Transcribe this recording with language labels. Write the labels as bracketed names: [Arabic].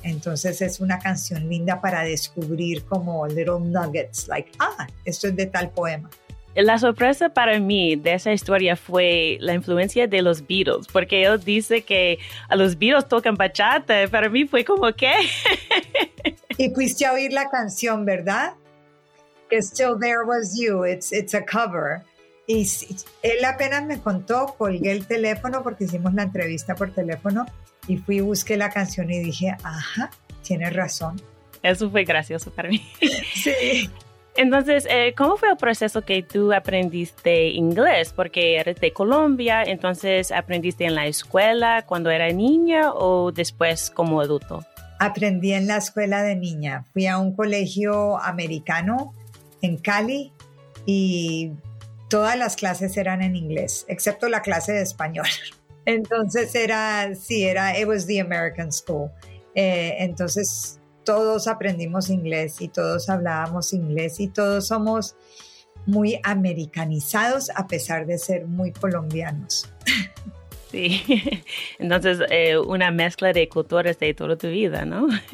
[Spanish] Entonces es una canción linda para descubrir como little nuggets, like, ah, esto es de tal poema. La sorpresa para mí de esa historia fue la influencia de los Beatles, porque él dice que a los Beatles tocan bachata. Para mí fue como, ¿qué? Y fuiste a oír la canción, ¿verdad? [English] Que Still There Was You, it's a cover. [Spanish] Y él apenas me contó, colgué el teléfono porque hicimos la entrevista por teléfono y fui, busqué la canción y dije, ajá, tienes razón. Eso fue gracioso para mí. Sí. Entonces, ¿cómo fue el proceso que tú aprendiste inglés? Porque eres de Colombia, entonces, ¿aprendiste en la escuela cuando era niña o después como adulto? Aprendí en la escuela de niña. Fui a un colegio americano en Cali y todas las clases eran en inglés, excepto la clase de español. Entonces era, sí, era, it was the American school. Entonces todos aprendimos inglés y todos hablábamos inglés y todos somos muy americanizados a pesar de ser muy colombianos. Sí, entonces una mezcla de culturas de toda tu vida, ¿no?